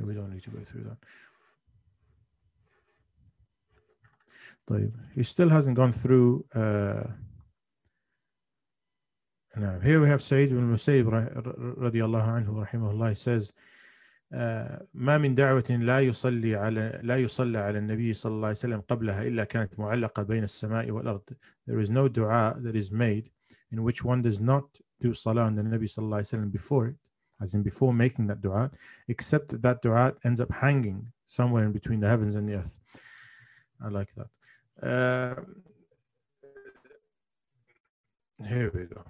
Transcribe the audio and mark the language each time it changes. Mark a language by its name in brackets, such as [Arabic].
[English] We don't need to go through that. [Arabic] طيب. [English] He still hasn't gone through. [Arabic] نعم. [English] Here we have [Arabic] سعيد بن المسيب رضي الله عنه رحمه الله. [English] He says, [Arabic] ما من دعوة لا يصلى على النبي صلى الله عليه وسلم قبلها إلا كانت معلقة بين السماء والأرض. [English] There is no dua that is made in which one does not do salah on the Nabi صلى الله عليه وسلم before it, as in before making that dua, except that dua ends up hanging somewhere in between the heavens and the earth. I like that. Here we go.